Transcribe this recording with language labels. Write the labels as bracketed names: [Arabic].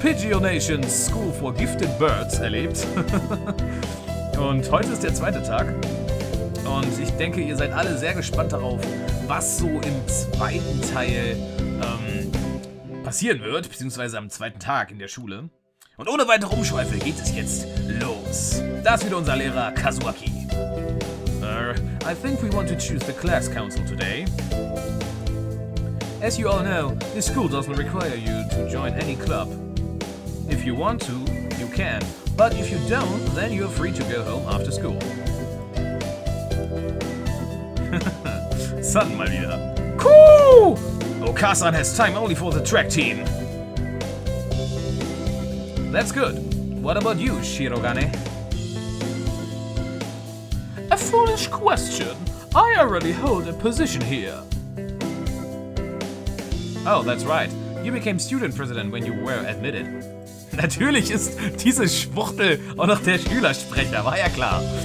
[German] Pigeonation School for Gifted Birds erlebt. Und heute ist der zweite Tag. Und ich denke, ihr seid alle sehr gespannt darauf, was so im zweiten Teil passieren wird, beziehungsweise am zweiten Tag in der Schule. Und ohne weitere Umschweife geht es jetzt los. Da ist wieder unser Lehrer Kazuaki. [English] I think we want to choose the class council today. As you all know, this school doesn't require you to join any club. If you want to, you can. But if you don't, then you're free to go home after school. Sun, [German] mal wieder. [English] Cool! Okasan has time only for the track team. That's good. What about you, Shirogane? A foolish question. I already hold a position here. Oh, that's right. You became student president when you were admitted. [German] Natürlich ist diese Schwuchtel auch noch der Schülersprecher, war ja klar.